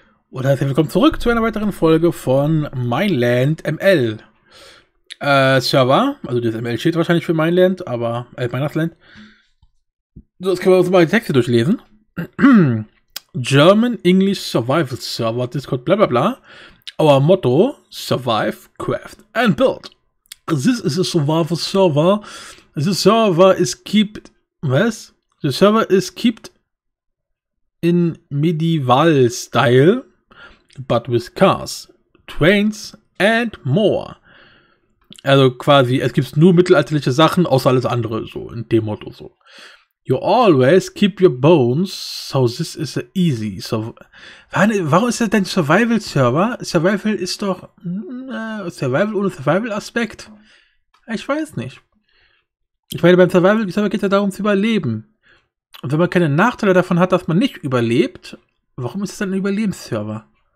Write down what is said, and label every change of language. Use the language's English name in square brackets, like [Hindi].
[German] Und herzlich willkommen zurück zu einer weiteren Folge von Mainland ML. Server, also das ML steht wahrscheinlich für Mainland, aber Weihnachtsland. So, jetzt können wir uns mal die Texte durchlesen. [English] German English Survival Server Discord bla bla bla. Our motto, survive, craft and build. This is a survival server. The server is kept, [German] was? [English] The server is kept in medieval style. But with cars, trains and more. [German] Also quasi, es gibt nur mittelalterliche Sachen, außer alles andere, so in dem Motto so. [English] You always keep your bones, so this is easy. [German] So, warum ist das denn Survival-Server? Survival ist doch Survival ohne Survival-Aspekt. Ich weiß nicht. Ich meine, beim Survival-Server geht es ja darum zu überleben. Und wenn man keine Nachteile davon hat, dass man nicht überlebt, warum ist das denn ein Überlebens-Server?